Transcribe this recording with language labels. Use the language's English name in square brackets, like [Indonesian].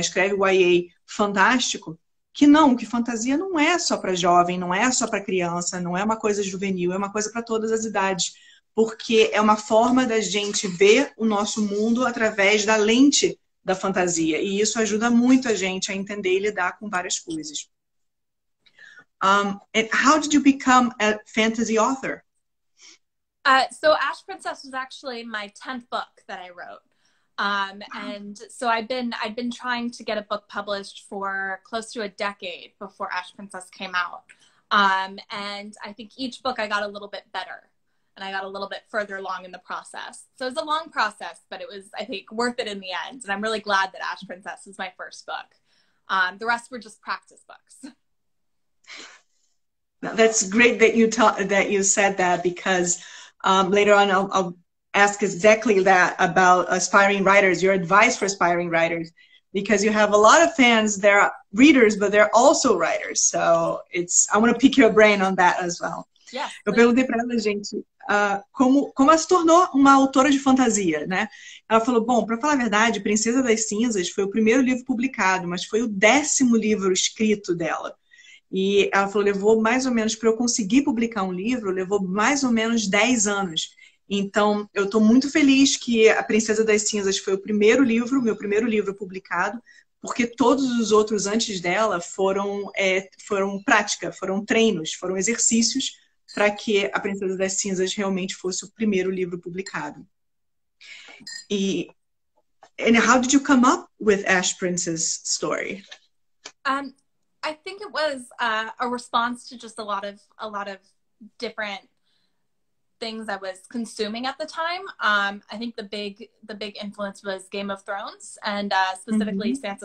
[Portuguese] Escreve YA fantástico. Que não, que fantasia não é só para jovem, não é só para criança, não é uma coisa juvenil, é uma coisa para todas as idades, porque é uma forma da gente ver o nosso mundo através da lente da fantasia, e isso ajuda muito a gente a entender e lidar com várias coisas. [English] And how did you become a fantasy author? So Ash Princess was actually my 10th book that I wrote. And so I've been trying to get a book published for close to a decade before Ash Princess came out. And I think each book I got a little bit better and I got a little bit further along in the process. So it was a long process, but it was, I think, worth it in the end. And I'm really glad that Ash Princess is my first book. The rest were just practice books. That's great that you said that because later on I'll ask exactly that about aspiring writers, your advice for aspiring writers, because you have a lot of fans, they're readers, but they're also writers. So I want to pick your brain on that as well. Yes, [Portuguese] Eu [English] please. [Portuguese] perguntei para ela, gente, como ela se tornou uma autora de fantasia, né? Ela falou, bom, para falar a verdade, Princesa das Cinzas foi o primeiro livro publicado, mas foi o 10º livro escrito dela. E ela falou, levou mais ou menos, para eu conseguir publicar um livro, levou mais ou menos 10 anos. Então, eu estou muito feliz que A Princesa das Cinzas foi o primeiro livro, meu primeiro livro publicado, porque todos os outros antes dela foram prática, foram treinos, foram exercícios para que A Princesa das Cinzas realmente fosse o primeiro livro publicado. [English] And how did you come up with Ash Prince's story? I think it was a response to just a lot of different things I was consuming at the time. I think the big influence was Game of Thrones, and specifically mm-hmm.